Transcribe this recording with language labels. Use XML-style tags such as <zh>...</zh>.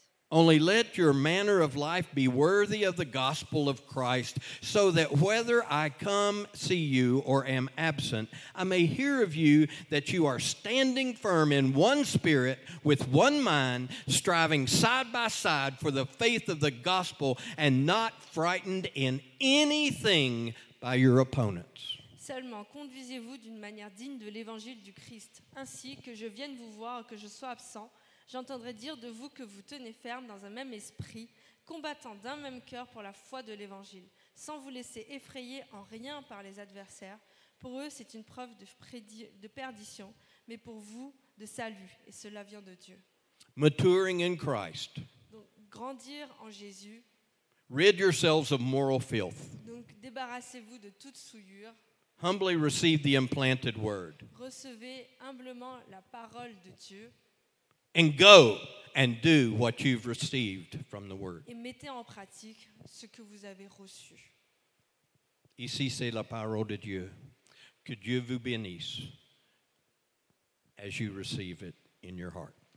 <en>Only let your manner of life be worthy of the gospel of Christ, so that whether I come see you or am absent, I may hear of you that you are standing firm in one spirit, with one mind, striving side by side for the faith of the gospel, and not frightened in anything by your opponents.</en> <fr>Seulement, conduisez-vous d'une manière digne de l'évangile du Christ, ainsi que je vienne vous voir, que je sois absent, j'entendrai dire de vous que vous tenez ferme dans un même esprit, combattant d'un même cœur pour la foi de l'évangile, sans vous laisser effrayer en rien par les adversaires. Pour eux, c'est une preuve de perdition, mais pour vous, de salut, et cela vient de Dieu.</fr> <en>Maturing in Christ.</en> <fr>Donc, grandir en Jésus.</fr> <en>Rid yourselves of moral filth.</en> <fr>Donc, débarrassez-vous de toute souillure.</fr> <en>Humbly receive the implanted word.</en> <fr>Recevez humblement la parole de Dieu.</fr> <en>And go and do what you've received from the word.</en> <fr>Et mettez en pratique ce que vous avez reçu. Ici c'est la parole de Dieu. Que Dieu vous bénisse</fr> <en>as you receive it in your heart.</en>